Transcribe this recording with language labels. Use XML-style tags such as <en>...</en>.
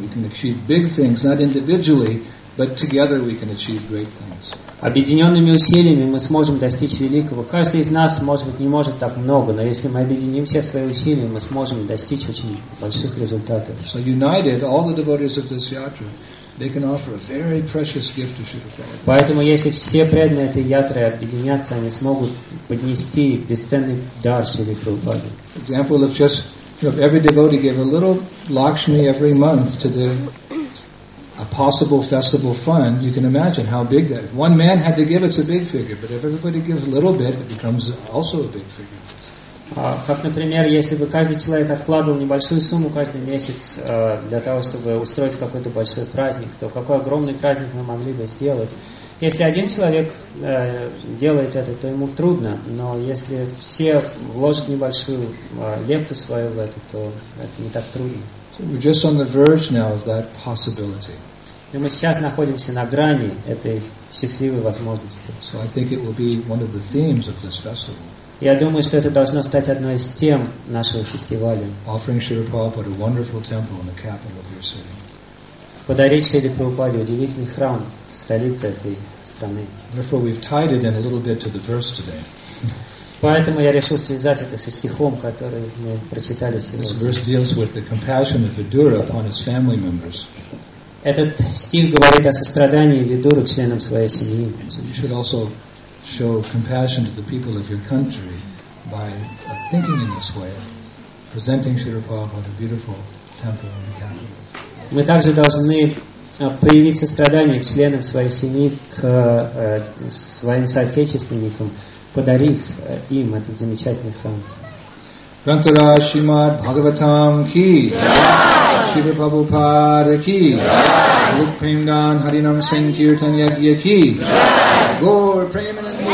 <en>We can achieve big things, not individually, but together we can achieve great things.</en> <ru>Объединенными усилиями мы сможем достичь великого. Каждый из нас, может быть, не может так много, но если мы объединим все свои усилия, мы сможем достичь очень больших результатов.</ru> <en>So united, all the devotees of this yatra, they can offer a very precious gift to Shri Prabhupada.</en> <ru>Поэтому, если все преданные этой ятры объединятся, они смогут поднести бесценный дар Шри Прабхупаде.</ru> <en>Example of just, if every devotee gave a little lakshmi every month to the a possible festival fund, you can imagine how big that. If one man had to give, it's a big figure. But if everybody gives a little bit, it becomes also a big figure.</en> <ru>Как, например, если бы каждый человек откладывал небольшую сумму каждый месяц для того, чтобы устроить какой-то большой праздник, то какой огромный праздник мы могли бы сделать? Если один человек делает это, то ему трудно, но если все вложат небольшую лепту свою в это, то это не так трудно.</ru> <en>So we're just on the verge now of that possibility.</en> <ru>И мы сейчас находимся на грани этой счастливой возможности.</ru> <en>So I think it will be one of the themes of this festival.</en> <ru>Я думаю, что это должно стать одной из тем нашего фестиваля.</ru> <en>Offering Shri Prabhupada a wonderful temple in the capital of your city.</en> <ru>Подарить Шри Прабхупаде удивительный храм в столице этой страны.</ru> <en>Therefore, we've tied it in a little bit to the verse today.</en> <ru>Поэтому я решил связать это со стихом, который мы прочитали сегодня.</ru> <en>This verse deals with the compassion of Vidura upon his family members.</en> <ru>Этот стих говорит о сострадании Видуры к членам своей семьи.</ru> <en>So you should also show compassion to the people of your country by thinking in this way, presenting Shri Prabhupada a beautiful temple in the capital.</en> <ru>Мы также должны проявить сострадание к членам своей семьи, к своим соотечественникам, подарив им этот замечательный храм. Грантара Шримад Бхагаватам Ки Шри Прабхупада Ки Лук Премган Харинам Сангиртан Ягья Ки Гор Премган.</ru>